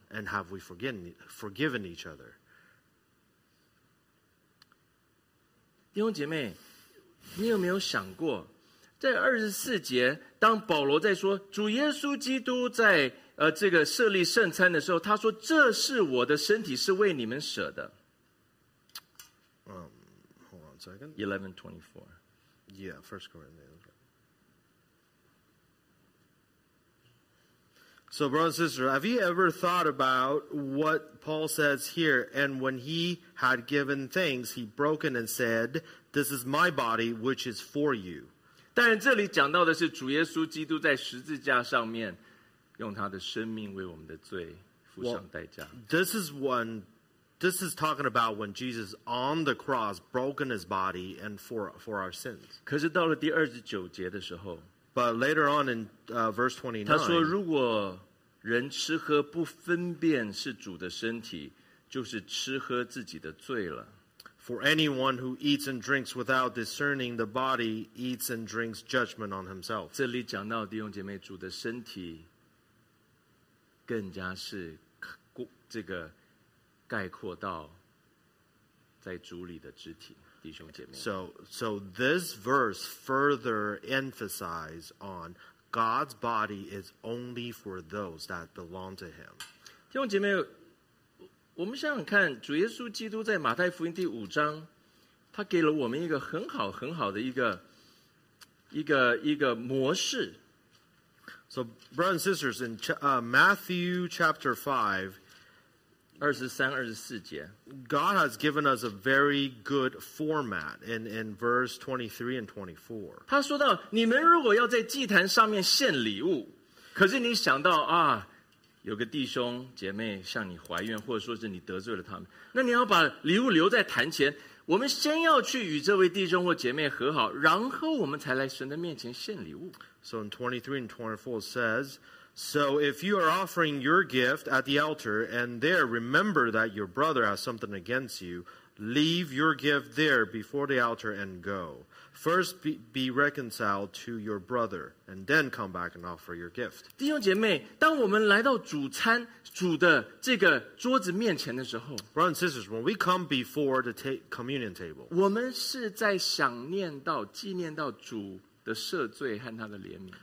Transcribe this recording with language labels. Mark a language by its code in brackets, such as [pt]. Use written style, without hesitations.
[en] ？And have we forgiven each other? [zh] 弟兄姐妹，你有没有想过？在二十四节，当保罗在说主耶稣基督在这个设立圣餐的时候，他说：“这是我的身体，是为你们舍的。” [en] Hold on a second. 11:24. Yeah, First Corinthians. So, brothers and sisters, have you ever thought about what Paul says here? And when he had given thanks, he broke and said, "This is my body, which is for you." [zh] 但这里讲到的是主耶稣基督在十字架上面用他的生命为我们的罪付上代价。 [en] Well, this is talking about when Jesus on the cross broken his body and for our sins. [zh] 可是到了第二十九节的时候 [en] ，But later on in verse 29, [zh] 他说如果人吃喝不分辨是主的身体，就是吃喝自己的罪了。 [en] For anyone who eats and drinks without discerning the body eats and drinks judgment on himself. [zh] 这里讲到弟兄姐妹，主的身体更加是这个概括到在主里的肢体，弟兄姐妹。 [en] So this verse further emphasizes on God's body is only for those that belong to Him. [zh] 弟兄姐妹。我们想想看，主耶稣基督在马太福音第五章，他给了我们一个很好很好的一个模式。 [en] So, brothers and sisters, in Matthew chapter 5, [zh] 23, 24节, [en] God has given us a very good format in verse 23 and 24. [zh] 他说到, 你们如果要在祭坛上面献礼物, 可是你想到, 啊, 有个弟兄姐妹向你怀怨, 或者说是你得罪了他们, 那你要把礼物留在坛前, 我们先要去与这位弟兄或姐妹和好, 然后我们才来神的面前献礼物。 [en] So in 23 and 24 says, So if you are offering your gift at the altar, and there remember that your brother has something against you, leave your gift there before the altar and go. First be reconciled to your brother, and then come back and offer your gift. [zh] 弟兄姐妹, 当我们来到主餐, 主的这个桌子面前的时候, [en] Brothers and sisters, when we come before the communion table, [zh] 我们是在想念到, 纪念到主, 的赦罪和他的怜悯,